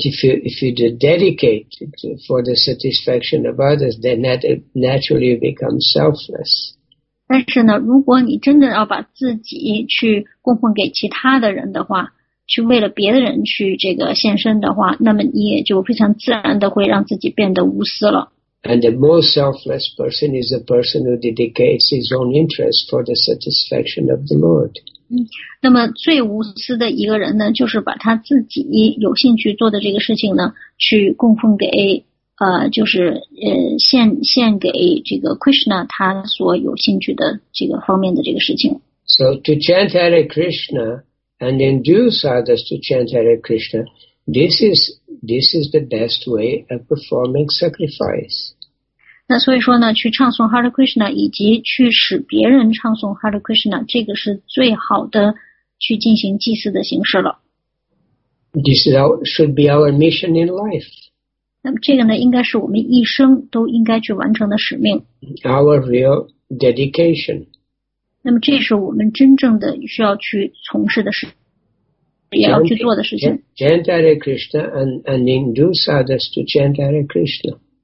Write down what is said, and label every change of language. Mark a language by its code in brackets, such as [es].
[en] if you dedicate for the satisfaction of others, then that naturally becomes selfless. [zh] 但是呢，如果你真的要把自己去供奉给其他的人的话。去为了别人去这个献身的话，那么你也就非常自然的会让自己变得无私了。 [en] And the most selfless person is a person who dedicates his own interest for the satisfaction of the Lord. [zh] 那么最无私的一个人呢，就是把他自己有兴趣做的这个事情呢，去供奉给，就是献给这个 Krishna 他所有兴趣的这个方面的这个事情。 [en] So to chant Hare Krishna and induce others to chant Hare Krishna, this is the best way of performing sacrifice. [zh] 那所以说呢，去唱诵 Hare Krishna 以及去使别人唱诵 Hare Krishna， 这个是最好的去进行祭祀的形式了。 [en] This is our, should be our mission in life. [zh] 那么这个呢，应该是我们一生都应该去完成的使命。 [en] Our real dedication. [zh] 那么这是我们真正的需要去从事的事，也要去做的事情。 [en] Chant Hare Krishna and induce others to chant Hare Krishna.